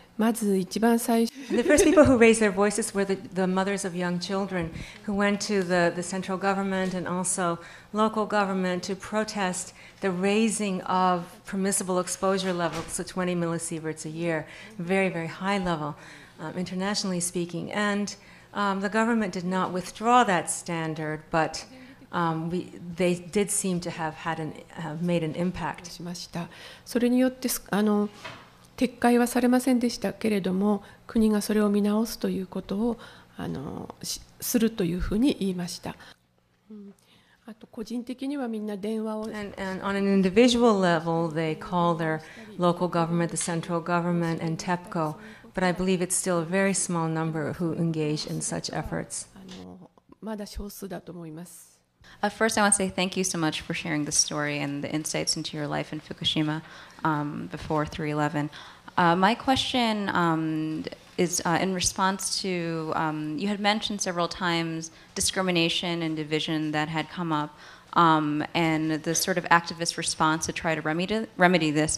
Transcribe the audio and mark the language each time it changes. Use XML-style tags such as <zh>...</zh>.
<en>The first people who raised their voices were the mothers of young children who went to the central government and also local government to protest the raising of permissible exposure levels to 20 millisieverts a year, very, very high level, internationally speaking. And the government did not withdraw that standard, but they did seem to have made an impact.</en> <ja>それによって撤回はされませんでしたけれども、国がそれを見直すということをするというふうに言いました。あと個人的にはみんな電話を。</ja> <en>And on an individual level, they call their local government, the central government, and Tepco. But I believe it's still a very small number who engage in such efforts.</en> <ja>まだ少数だと思います。</ja> <en>First, I want to say thank you so much for sharing the story and the insights into your life in Fukushima before 3/11. My question is in response to, you had mentioned several times discrimination and division that had come up and the sort of activist response to try to remedy this.</en>